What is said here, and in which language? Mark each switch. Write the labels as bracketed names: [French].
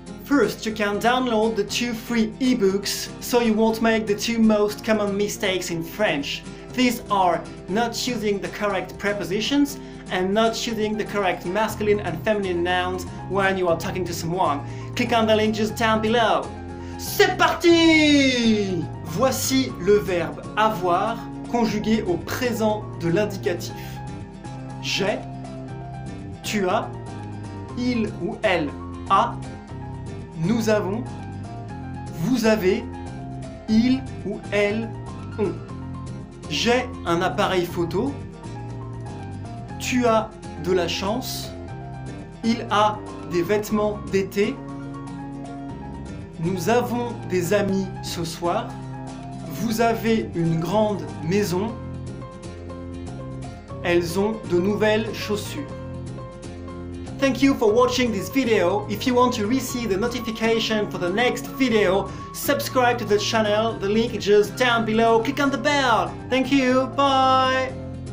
[English] First, you can download the two free ebooks so you won't make the two most common mistakes in French. These are not using the correct prepositions and not choosing the correct masculine and feminine nouns when you are talking to someone. Click on the link just down below. [French] C'est parti! Voici le verbe avoir conjugué au présent de l'indicatif. J'ai, tu as, il ou elle a, nous avons, vous avez, il ou elle ont. J'ai un appareil photo. Tu as de la chance, il a des vêtements d'été, nous avons des amis ce soir, vous avez une grande maison, elles ont de nouvelles chaussures. [English] Thank you for watching this video. If you want to receive the notification for the next video, subscribe to the channel. The link is just down below. Click on the bell. Thank you. Bye.